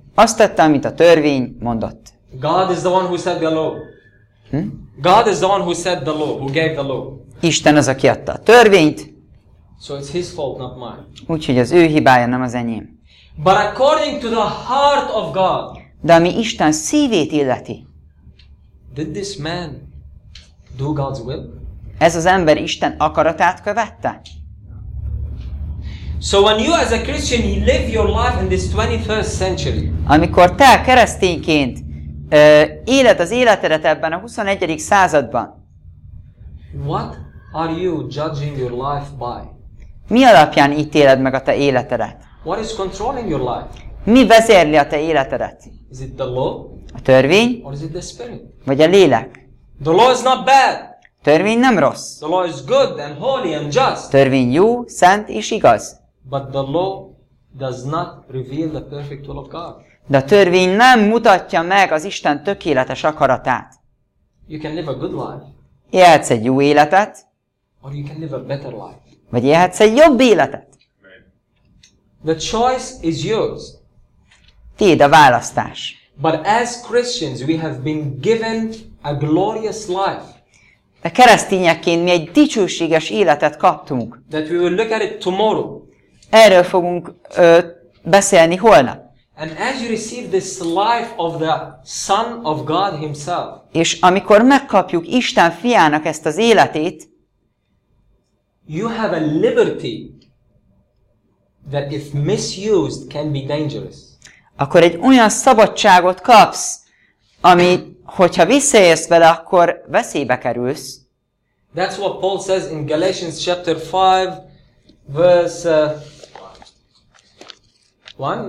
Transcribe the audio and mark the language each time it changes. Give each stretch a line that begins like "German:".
Hungarian: Azt tette, amit a törvény mondott.
English: God is the one who set the law. God is the one who set the law, who gave the law.
Hungarian: Isten az, aki adta a törvényt.
English: So it's his fault, not mine.
Hungarian: Úgyhogy az ő hibája, nem az enyém.
English: But according to the heart of God.
Hungarian: De ami Isten szívét illeti.
English: Did this man do God's will?
Hungarian: Ez az ember Isten akaratát követte.
English: So when you as a Christian you live your life in this 21st century.
Hungarian: Amikor te keresztényként éled az életedet ebben a 21. században.
English: What are you judging your life by?
Hungarian: Mi alapján ítéled meg a te életedet?
English: What is controlling your life?
Hungarian: Mi vezérli a te életedet?
English: Is it the law?
Hungarian: A törvény?
English: Or is it the spirit?
Hungarian: Vagy a lélek?
English: The law is not bad.
Hungarian: Törvény nem rossz.
English: The law is good and holy and just.
Hungarian: Törvény jó, szent és igaz.
English: But the law does not reveal the perfect will of God.
Hungarian: De a törvény nem mutatja meg az Isten tökéletes akaratát.
English: You can live a good life.
Hungarian: Élhetsz egy jó életet.
English: Or you can live a better life.
Hungarian: Vagy élhetsz egy jobb életet.
English: The choice is yours.
Hungarian: Tiéd a választás.
English: But as Christians we have been given a glorious life.
Hungarian: De keresztényekként mi egy dicsőséges életet kaptunk.
English: That we will look at it tomorrow.
Hungarian: Erről fogunk beszélni holnap.
English: And as you receive this life of the Son of God himself.
Hungarian: És amikor megkapjuk Isten fiának ezt az életét,
English: you have a liberty that if misused can be dangerous.
Hungarian: Akkor egy olyan szabadságot kapsz, ami hogyha visszaélsz vele, akkor veszélybe kerülsz.
English: That's what Paul says in Galatians chapter 5 verse 1.